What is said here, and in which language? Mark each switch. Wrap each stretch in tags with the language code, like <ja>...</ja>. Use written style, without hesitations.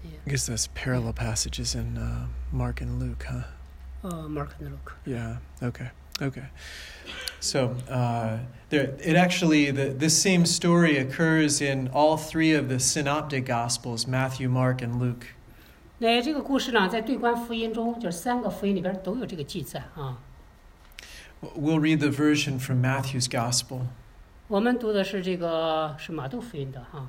<en>I guess that's parallel passages in Mark and Luke, huh? Mark and Luke. Yeah, okay. So, this same story occurs in all three of the synoptic gospels, Matthew, Mark, and Luke.</en> <zh>那这个故事呢，在对观福音中，就是三个福音里边都有这个记载</zh> <en>We'll read the version from Matthew's Gospel.</en> <zh>我们读的是这个是马窦福音的</zh>